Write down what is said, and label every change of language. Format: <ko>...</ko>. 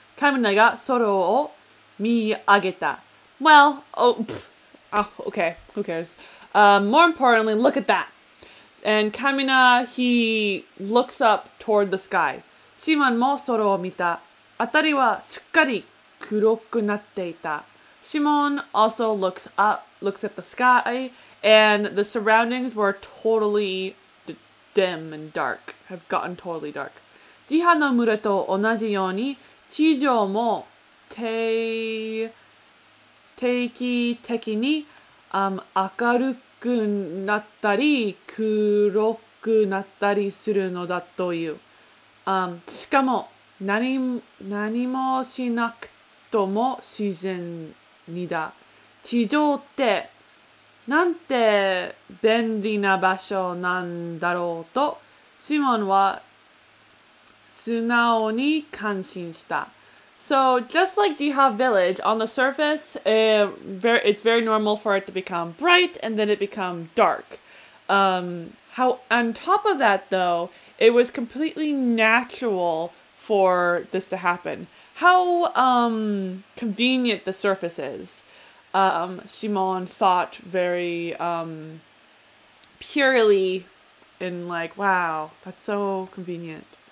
<ja>カミナが空を見上げた。</ja> <en>Well, okay, who cares? More importantly, look at that. And Kamina, he looks up toward the sky.</en> <ja>シマンも空を見た。あたりはすっかり黒くなっていた。</ja> <en>シモン also looks at the sky, and the surroundings were totally dim and dark, have gotten totally dark.</en> <ja>ジハの村と同じように、地上も定期的に、明るくなったり、黒くなったりするのだという。しかも、何もしなくとも自然にだ。地上って、なんて便利な場所なんだろうと、シモンは素直に感心した。</ja> <en>So, just like Jiha Village, on the surface, it's very normal for it to become bright and then it becomes dark. How, on top of that, though, it was completely natural for this to happen. How convenient the surface is, Shimon thought very purely in like, wow, that's so convenient.</en>